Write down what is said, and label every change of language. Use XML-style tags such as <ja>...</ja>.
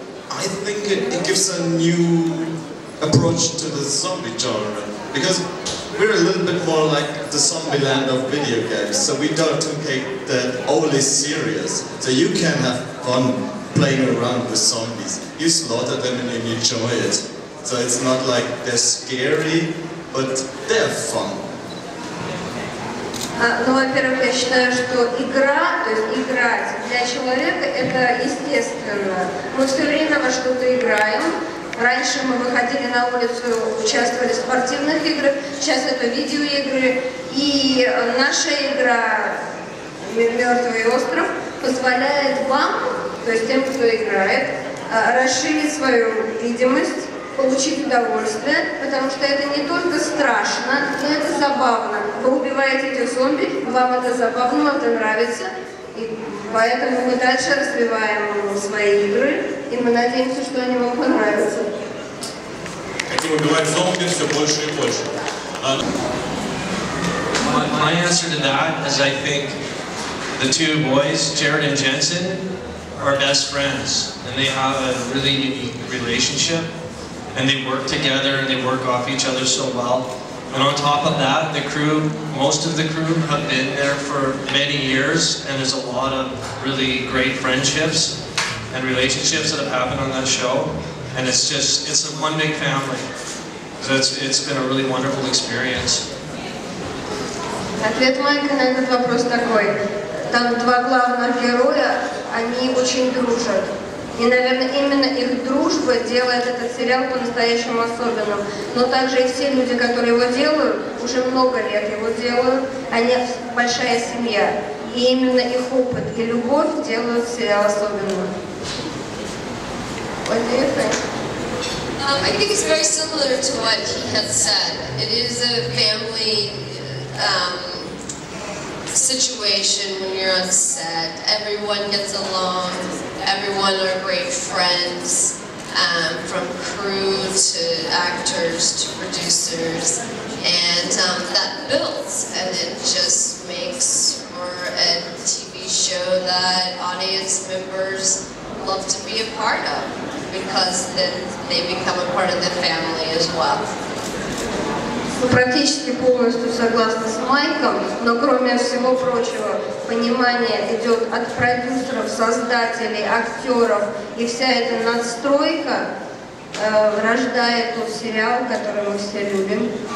<en>I think it gives a new approach to the zombie genre, because we're a little bit more like the zombie land of video games, so we don't take that overly serious. So you can have fun playing around with zombies. You slaughter them and you enjoy it. So it's not like they're scary, but they're fun.</en> <ru>Ну, во-первых, я считаю, что игра, то есть играть для человека, это естественно. Мы все время во что-то играем. Раньше мы выходили на улицу, участвовали в спортивных играх, сейчас это видеоигры. И наша игра «Мертвый остров» позволяет вам, то есть тем, кто играет, расширить свою видимость, получить удовольствие, потому что это не только страшно, но это забавно. Вы убиваете этих зомби, вам это забавно, вам это нравится. И поэтому мы дальше развиваем свои игры, и мы надеемся, что они вам понравятся. Хотим убивать зомби все больше и больше. А...</ru> <en>My answer to that is I think the two boys, Jared and Jensen, are best friends, and they have a really unique relationship, and they work together, and they work off each other so well. And on top of that, the crew, most of the crew have been there for many years, and there's a lot of really great friendships and relationships that have happened on that show. And it's just, it's a one big family. So it's been a really wonderful experience.</en> <ru>Ответ Майка на этот вопрос такой. Там два главных героя, они очень дружат. И, наверное, именно их дружба делает этот сериал по-настоящему особенным. Но также и все люди, которые его делают, уже много лет его делают, они большая семья. И именно их опыт и любовь делают сериал особенным.</ru> <en>What do you think? I think it's very similar to what he has said. It is a family situation when you're on set. Everyone gets along. Everyone are great friends, from crew to actors to producers, and that builds, and it just makes for a TV show that audience members love to be a part of, because then they become a part of the family as well.</en> <ru>Практически полностью согласна с Майком, но кроме всего прочего, понимание идет от продюсеров, создателей, актеров, и вся эта надстройка рождает тот сериал, который мы все любим.</ru>